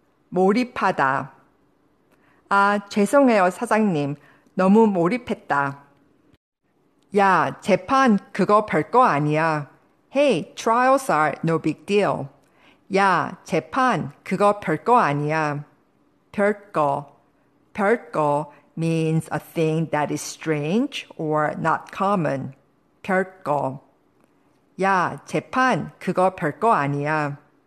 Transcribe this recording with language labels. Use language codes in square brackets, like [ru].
[ko] 몰입하다. 아, 죄송해요, 사장님. 너무 몰입했다. 야, 재판 그거 별거 아니야. [en] Hey, trials are no big deal. [ko] 야, 재판 그거 별거 아니야. 별거. [en] 별거 means a thing that is strange or not common. [ko] 별거. 야, 재판 그거 별거 아니야.